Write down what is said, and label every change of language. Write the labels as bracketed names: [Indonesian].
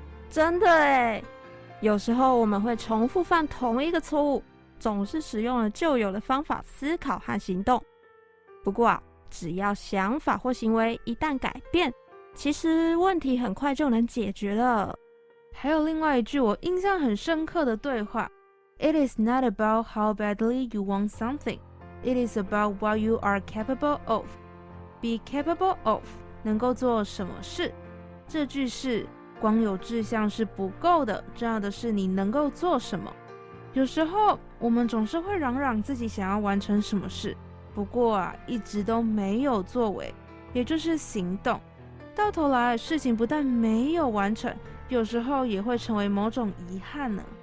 [Chinese] 真的耶，有时候我们会重复犯同一个错误，总是使用了旧有的方法思考和行动。不过啊，只要想法或行为一旦改变，其实问题很快就能解决了。还有另外一句我印象很深刻的对话， [English] It is not about how badly you want something, it is about what you are capable of. [Chinese] Be capable of能够做什么事。这句是光有志向是不够的，重要的是你能够做什么。有时候我们总是会嚷嚷自己想要完成什么事，不过啊，一直都没有作为，也就是行动，到头来事情不但没有完成，有时候也会成为某种遗憾呢。